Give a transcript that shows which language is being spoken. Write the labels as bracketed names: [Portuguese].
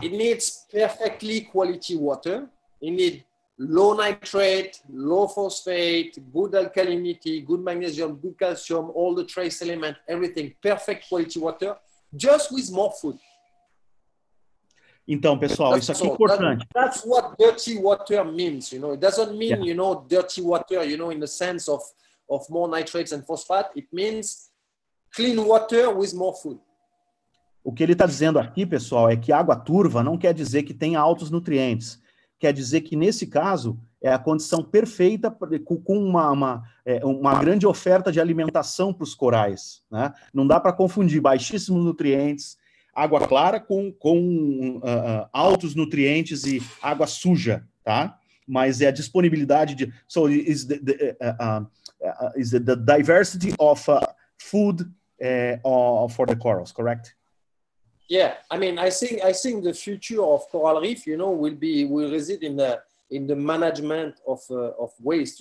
[English] It needs perfectly quality water. It needs low nitrate, low phosphate, good alkalinity, good magnesium, good calcium, all the trace element, everything. Perfect quality water, just with more food. [Portuguese] Então, pessoal, isso aqui é importante. [English] That's what dirty water means, you know. It doesn't mean, you know, dirty water, you know, in the sense of more nitrates and phosphate. It means clean water with more food. [Portuguese] O que ele está dizendo aqui, pessoal, é que água turva não quer dizer que tenha altos nutrientes. Quer dizer que, nesse caso, é a condição perfeita com uma grande oferta de alimentação para os corais, né? Não dá para confundir baixíssimos nutrientes, água clara com altos nutrientes e água suja, tá? Mas é a disponibilidade de... [English] So, is the diversity of food for the corals, correct? Yeah, I mean, I think the future of coral reef, you know, will reside in the management of waste.